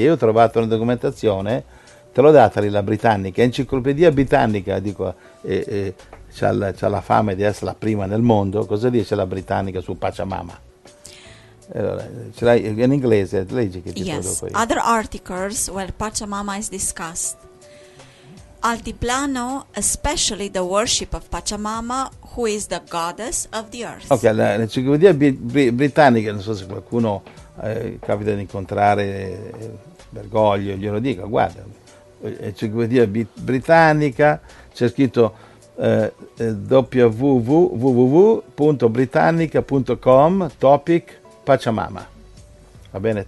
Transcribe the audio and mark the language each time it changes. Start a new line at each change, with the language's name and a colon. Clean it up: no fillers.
Italian: Io ho trovato una documentazione, te l'ho data lì, la Britannica, Enciclopedia Britannica, dico, c'ha la fama di essere la prima nel mondo. Cosa dice la Britannica su Pachamama? Allora, ce l'hai in inglese, leggi che ti
English: yes.
Italian: Trovo qui.
English: Other articles where Pachamama is discussed. Altiplano, especially the worship of Pachamama, who is the goddess of the earth.
Italian: Ok, l'Enciclopedia Britannica, non so se qualcuno capita di incontrare Bergoglio, glielo dica, guarda. Enciclopedia Britannica, c'è scritto www.britannica.com topic Pachamama, va bene?